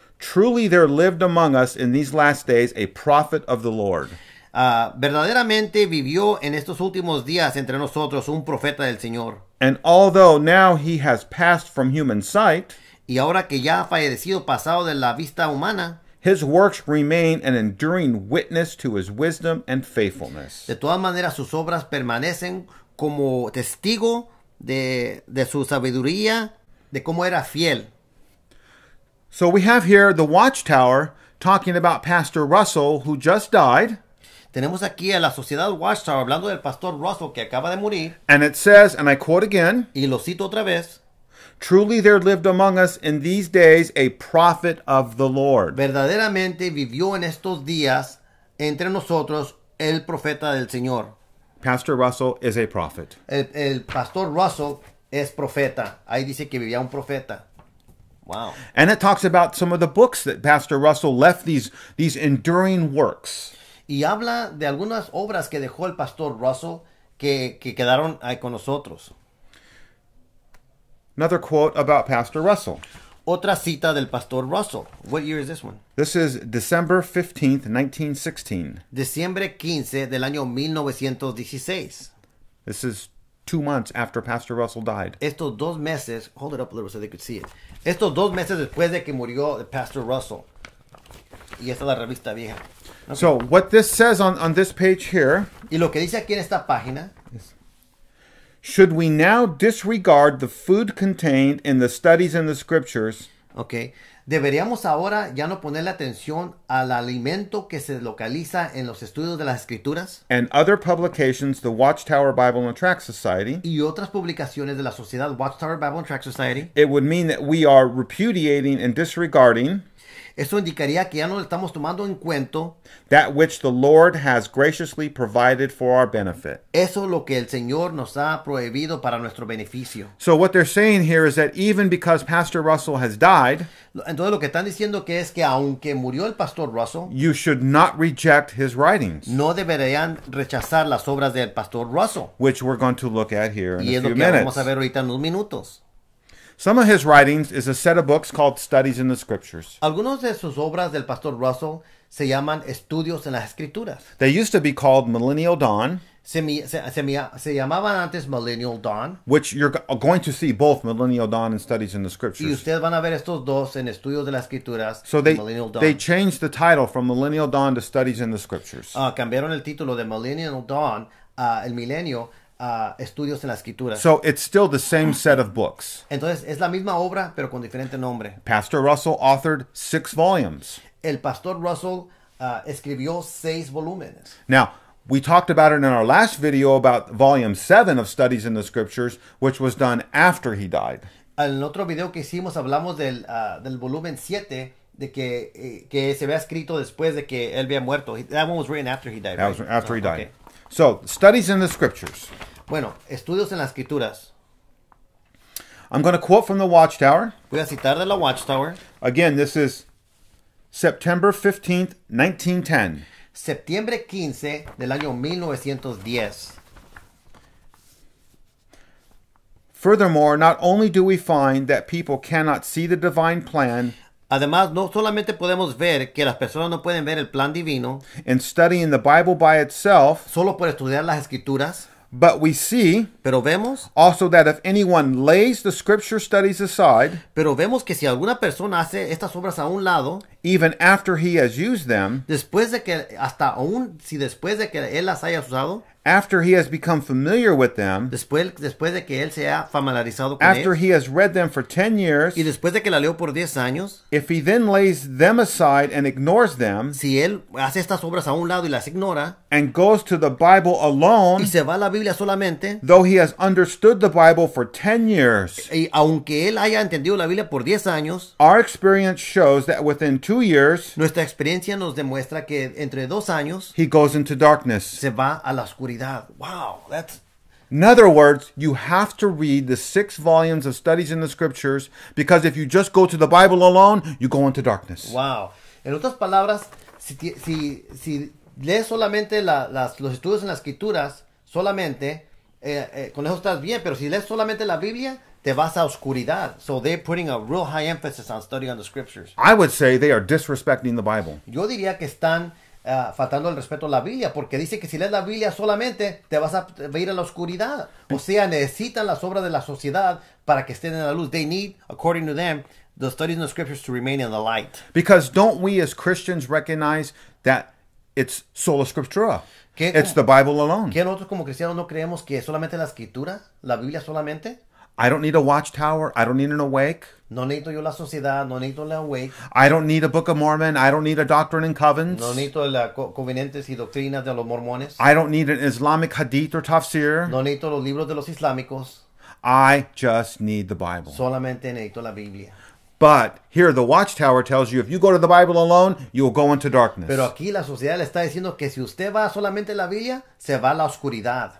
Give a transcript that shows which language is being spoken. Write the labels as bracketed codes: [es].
[en] Truly there lived among us in these last days a prophet of the Lord. [es] Verdaderamente vivió en estos últimos días entre nosotros un profeta del Señor. [en] And although now he has passed from human sight, [es] y ahora que ya ha fallecido, pasado de la vista humana, [en] His works remain an enduring witness to his wisdom and faithfulness. [es] De todas maneras, sus obras permanecen como testigo de su sabiduría, de cómo era fiel. [en] So we have here the Watchtower talking about Pastor Russell, who just died. [es] Tenemos aquí a la Sociedad Watchtower hablando del Pastor Russell, que acaba de morir. [en] And it says, and I quote again. [es] Y lo cito otra vez. [en] Truly there lived among us in these days a prophet of the Lord. [es] Verdaderamente vivió en estos días entre nosotros el profeta del Señor. [en] Pastor Russell is a prophet. [es] El Pastor Russell es profeta. Ahí dice que vivía un profeta. Wow. [en] And it talks about some of the books that Pastor Russell left, these enduring works. [es] Y habla de algunas obras que dejó el Pastor Russell que quedaron ahí con nosotros. [en] Another quote about Pastor Russell. [es] Otra cita del Pastor Russell. [en] What year is this one? This is December 15th, 1916. [es] Diciembre 15 del año 1916. [en] This is 2 months after Pastor Russell died. [es] Estos dos meses, [en] hold it up a little so they could see it. [es] Estos dos meses después de que murió Pastor Russell. Y esta es la revista vieja. [en] Okay. So what this says on this page here. [es] Y lo que dice aquí en esta página. [en] Should we now disregard the food contained in the studies and the scriptures? Okay. [es] Deberíamos ahora ya no ponerle atención al alimento que se localiza en los estudios de las escrituras. [en] And other publications, the Watchtower Bible and Tract Society. [es] Y otras publicaciones de la sociedad Watchtower Bible and Tract Society. [en] It would mean that we are repudiating and disregarding. [es] Eso indicaría que ya no lo estamos tomando en cuenta. [en] That which the Lord has graciously provided for our benefit. [es] Eso es lo que el Señor nos ha prohibido para nuestro beneficio. [en] So what they're saying here is that even because Pastor Russell has died. [es] Entonces lo que están diciendo que es que aunque murió el Pastor Russell. [en] You should not reject his writings. [es] No deberían rechazar las obras del Pastor Russell. [en] Which we're going to look at here in a few minutes. [es] Y es lo que vamos a ver ahorita en unos minutos. [en] Some of his writings is a set of books called Studies in the Scriptures. [es] Algunos de sus obras del Pastor Russell se llaman Estudios en las Escrituras. [en] They used to be called Millennial Dawn. [es] Se llamaban antes Millennial Dawn. [en] Which you're going to see both Millennial Dawn and Studies in the Scriptures. [es] Y ustedes van a ver estos dos en Estudios de las Escrituras. [en] So they changed the title from Millennial Dawn to Studies in the Scriptures. [es] Cambiaron el título de Millennial Dawn a El Milenio. Estudios en la escritura. [en] So it's still the same set of books. [es] Entonces es la misma obra pero con diferente nombre. [en] Pastor Russell authored 6 volumes. [es] El Pastor Russell escribió 6 volúmenes. [en] Now, we talked about it in our last video about volume 7 of Studies in the Scriptures, which was done after he died. [es] En otro video que hicimos hablamos del volumen 7 de que se había escrito después de que él había muerto. [en] That one was written after he died, right? That was after he died. Okay. So, Studies in the Scriptures. [es] Bueno, Estudios en las Escrituras. [en] I'm going to quote from the Watchtower. [es] Voy a citar de la Watchtower. [en] Again, this is September 15th, 1910. [es] Septiembre 15 del año 1910. [en] Furthermore, not only do we find that people cannot see the divine plan. [es] Además, no solamente podemos ver que las personas no pueden ver el plan divino. [en] In studying the Bible by itself. [es] Solo por estudiar las escrituras. [en] But we see. [es] Pero vemos. [en] Also that if anyone lays the scripture studies aside. [es] Pero vemos que si alguna persona hace estas obras a un lado. [en] Even after he has used them. [es] Después de que hasta aún, si después de que él las haya usado. [en] After he has become familiar with them. [es] Después de que él se ha familiarizado con [en] ellos. After he has read them for 10 years. [es] Y después de que la leo por 10 años. [en] If he then lays them aside and ignores them. [es] Si él hace estas obras a un lado y las ignora. [en] And goes to the Bible alone. [es] Y se va a la Biblia solamente. [en] Though he has understood the Bible for 10 years. [es] Y aunque él haya entendido la Biblia por 10 años. [en] Our experience shows that within 2 years. [es] Nuestra experiencia nos demuestra que entre 2 años. [en] He goes into darkness. [es] Se va a la oscuridad. [en] Wow, that's... In other words, you have to read the 6 volumes of Studies in the Scriptures because if you just go to the Bible alone, you go into darkness. Wow. [es] En otras palabras, si lees solamente los estudios en las Escrituras, solamente, con eso estás bien, pero si lees solamente la Biblia, te vas a oscuridad. [en] So they're putting a real high emphasis on studying the Scriptures. I would say they are disrespecting the Bible. [es] Yo diría que están... faltando el respeto a la Biblia, porque dice que si lees la Biblia solamente te vas a ir a la oscuridad. O sea, necesitan las obras de la sociedad para que estén en la luz. [en] They need, according to them, the studies and the scriptures to remain in the light. Because don't we as Christians recognize that it's sola scriptura? It's the Bible alone. [es] ¿Que nosotros como cristianos no creemos que solamente la escritura, la Biblia solamente? [en] I don't need a watchtower. I don't need an awake. [es] No necesito yo la sociedad. No necesito la awake. [en] I don't need a Book of Mormon. I don't need a doctrine and covens. [es] No necesito las covenantes y doctrinas de los mormones. [en] I don't need an Islamic hadith or tafsir. [es] No necesito los libros de los islámicos. [en] I just need the Bible. [es] Solamente necesito la Biblia. [en] But here the watchtower tells you if you go to the Bible alone, you will go into darkness. [es] Pero aquí la sociedad le está diciendo que si usted va solamente a la Biblia, se va a la oscuridad.